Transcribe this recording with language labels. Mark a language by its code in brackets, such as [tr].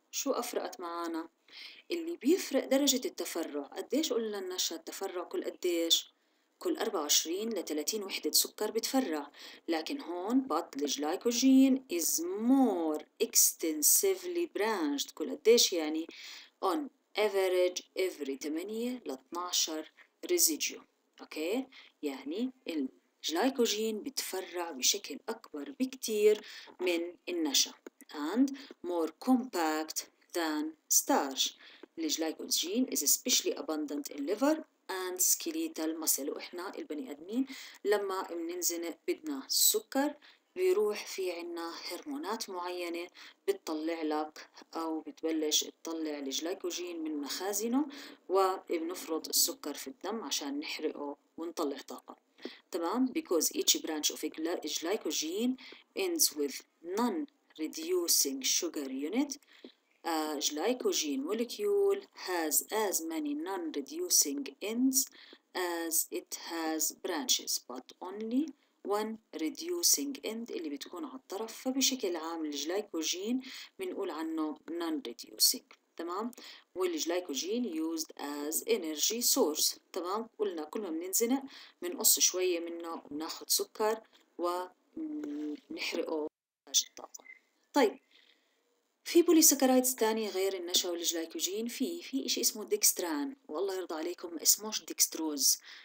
[ar] شو أفرقت معانا؟ اللي بيفرق درجة التفرع، قديش قلنا النشا التفرع كل قديش؟ كل 24 ل 30 وحدة سكر بتفرع، لكن هون بط الجلايكوجين [en] is more extensively branched. [ar] كل قديش يعني؟ [en] on average every 8 ل 12 residue. [ar] اوكي؟ يعني الجلايكوجين بتفرع بشكل أكبر بكتير من النشا. [en] and more compact than starch. الجلايكوجين is especially abundant in liver and skeletal muscle. [ar] وإحنا البني أدمين لما بننزنق بدنا السكر، بيروح في عنا هرمونات معينة بتطلع لك أو بتبلش تطلع الجلايكوجين من مخازنه، وبنفرط السكر في الدم عشان نحرقه ونطلع طاقة، تمام. [en] because each branch of glycogen ends with non-reducing sugar unit. A glycogen molecule has as many non-reducing ends as it has branches, but only one reducing end [ar] اللي بتكون على الطرف. فبشكل عام الجلايكوجين بنقول عنه non-reducing، تمام. [en] والجلايكوجين used as energy source، تمام. [ar] قلنا كل ما بننزنق بنقص شوية منه وبناخد سكر ونحرقه ونحتاج الطاقة. طيب في بوليسكرايدز تانية غير النشا والجلايكوجين؟ في إشي اسمه ديكستران، والله يرضى عليكم ما اسموش ديكستروز.